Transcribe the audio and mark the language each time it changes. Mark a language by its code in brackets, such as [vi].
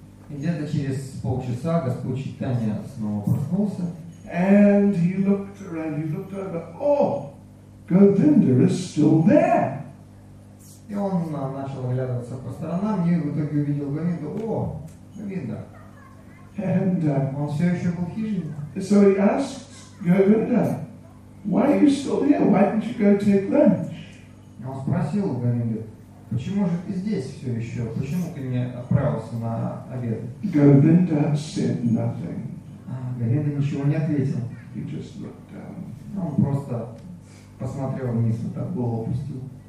[ru] И где-то через полчаса Господь Чайтанья снова проснулся. [en] And he looked around, he looked over. Oh, Govinda is still there. [ru] И он начал оглядываться по сторонам, и в итоге увидел Говинду. О, Говинда. [en] And [ru] он все еще был в хижине. [en] So he asked Govinda, why are you still here? Why didn't you go take lunch? [ru] И он спросил Говинду, почему же ты здесь все еще? Почему ты не отправился на обед? [en] Говинда said nothing. [ru] Говинда ничего не ответил. [en] He just looked down. [ru] Он просто посмотрел вниз, вот так голову опустил.